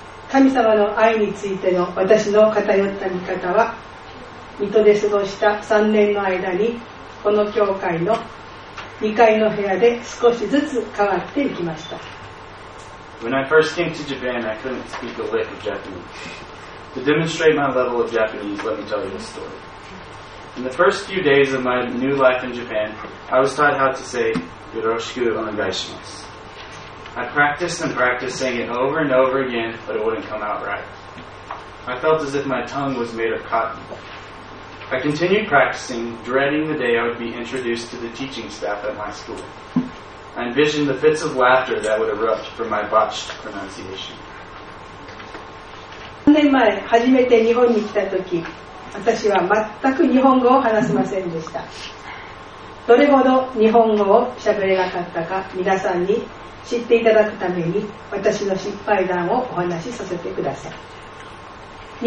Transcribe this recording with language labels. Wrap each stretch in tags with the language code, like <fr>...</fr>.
<ja>神様の愛についての私の偏った見方は、水戸で過ごした3年の間にこの教会の2階の部屋で少しずつ変わっていきました。</ja> <en>When I first came to Japan, I couldn't speak a lick of Japanese. To demonstrate my level of Japanese, let me tell you this story. In the first few days of my new life in Japan, I was taught how to say,</en> <ja>Yoroshiku onegai shimasu.</ja> <en>I practiced and practiced saying it over and over again, but it wouldn't come out right. I felt as if my tongue was made of cotton. I continued practicing, dreading the day I would be introduced to the teaching staff at my school. I envisioned the fits of laughter that would erupt from my botched pronunciation.</en> <ja>3年前、初めて日本に来た時、私は全く日本語を話せませんでした。どれほど日本語を喋れなかったか、皆さんに知っていただくために、私の失敗談をお話しさせてください。</ja>